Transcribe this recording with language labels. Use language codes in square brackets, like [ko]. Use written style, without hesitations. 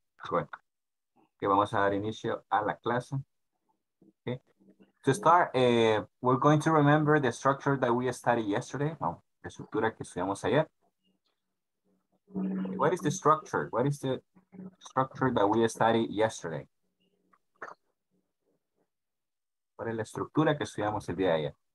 [es] Bueno, que vamos a dar inicio a la clase. [en] Okay. To start, we're going to remember the structure that we studied yesterday. Well, [es] la estructura que estudiamos ayer. [en] What is the structure? What is the structure that we studied yesterday? [es] ¿Cuál es la estructura que estudiamos el día de ayer?